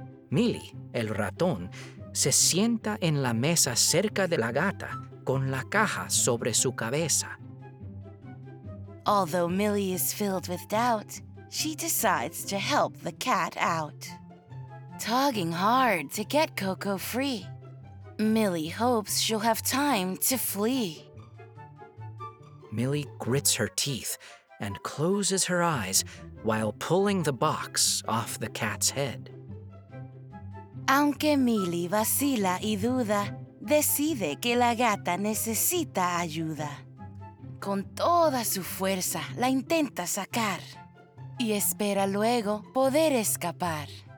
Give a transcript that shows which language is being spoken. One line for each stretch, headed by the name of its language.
Spanish: Millie, el ratón, se sienta en la mesa cerca de la gata con la caja sobre su cabeza.
English: Although Millie is filled with doubt, she decides to help the cat out. Tugging hard to get Coco free, Millie hopes she'll have time to flee. Millie grits her teeth and closes her eyes while pulling the box off the cat's head.
Spanish: Aunque Millie vacila y duda, decide que la gata necesita ayuda. Con toda su fuerza la intenta sacar y espera luego poder escapar.